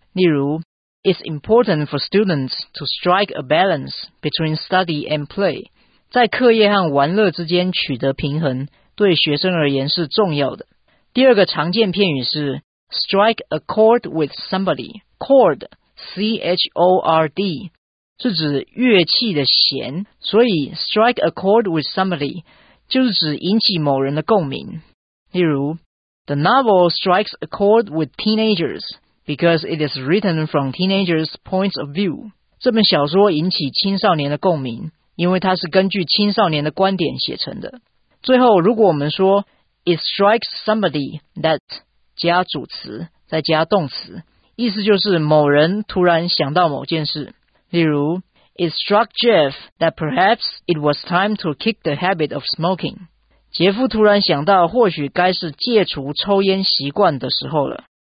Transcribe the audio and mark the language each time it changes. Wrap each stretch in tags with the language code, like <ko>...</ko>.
<zh>例如 ，</zh> <en>It's important for students to strike a balance between study and play，</en> <zh>在课业和玩乐之间取得平衡，对学生而言是重要的。第二个常见片语是</zh> <en>strike a chord with somebody，</en> <zh>chord C H O R D 是指乐器的弦，所以 strike a chord with somebody。就是指引起某人的共鸣。例如</zh> <en>The novel strikes a chord with teenagers because it is written from teenagers' points of view.</en> <zh>这本小说引起青少年的共鸣，因为它是根据青少年的观点写成的。最后，如果我们说</zh> <en>It strikes somebody that</en> <zh>加主词，再加动词，意思就是某人突然想到某件事。例如</zh> <en>It struck Jeff that perhaps it was time to kick the habit of smoking.</en> <zh>杰夫突然想到或许该是戒除抽烟习惯的时候了。</zh>